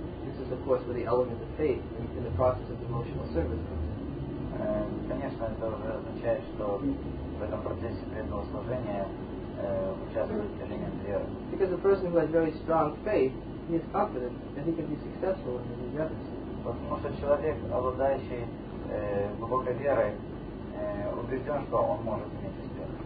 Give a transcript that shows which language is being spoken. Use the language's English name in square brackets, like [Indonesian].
[English] This is, of course, where the element of faith in the process of devotional service. [Russian] Конечно, это уже означает, что в этом процессе преданного служения участвует элемент веры. [English] Because a person who has very strong faith, he is confident that he can be successful in his endeavors. [Russian] Потому что человек, обладающий глубокой верой, убежден, что он может иметь успех.